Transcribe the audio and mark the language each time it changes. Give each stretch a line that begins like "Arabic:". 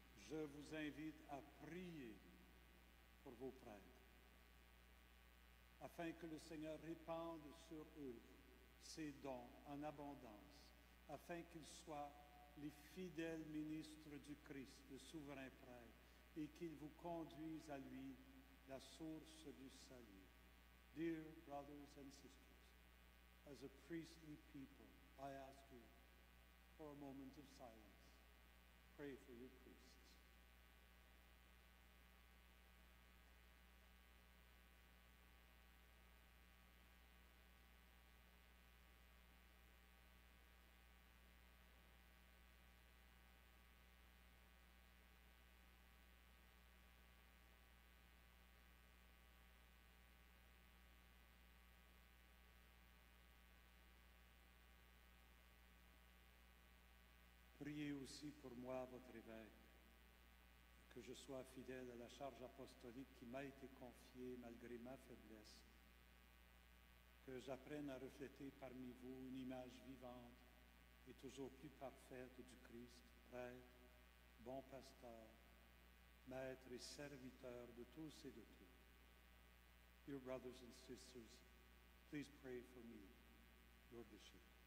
French: Je vous invite à prier pour vos prêtres, afin que le Seigneur répande sur eux ses dons en abondance, afin qu'ils soient les fidèles ministres du Christ, le souverain prêtre, et qu'ils vous conduisent à lui, la source du salut.
English: Dear brothers and sisters, as a priestly people, I ask you for a moment of silence. Pray for your priests.
French: Priez aussi pour moi, votre évêque, que je sois fidèle à la charge apostolique qui m'a été confiée malgré ma faiblesse, que j'apprenne à refléter parmi vous une image vivante et toujours plus parfaite du Christ, prêtre, bon pasteur, maître et serviteur de tous et de toutes.
English: Dear brothers and sisters, please pray for me, your bishop.